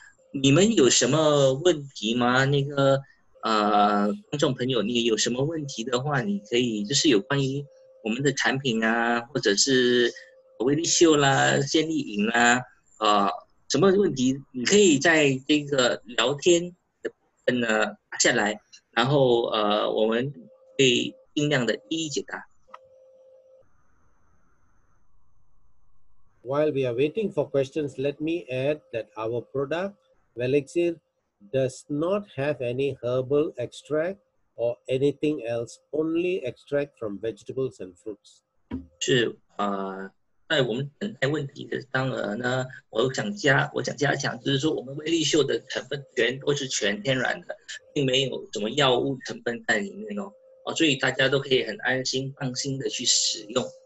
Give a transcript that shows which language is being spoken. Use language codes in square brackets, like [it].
[zh] 你们有什么问题吗？那个观众朋友，你有什么问题的话，你可以就是有关于我们的产品啊，或者是威力秀啦、建立营啦、什么问题，你可以在这个聊天的部分呢打下来，然后我们可以尽量的一一解答。 [en] While we are waiting for questions, let me add that our product Velixir does not have any herbal extract or anything else, only extract from vegetables and fruits. [zh] 是在我们等待问题的当儿呢，我想加强，就是说我们威力秀的成分全都是全天然的，并没有什么药物成分在里面哦，所以大家都可以很安心放心的去使用。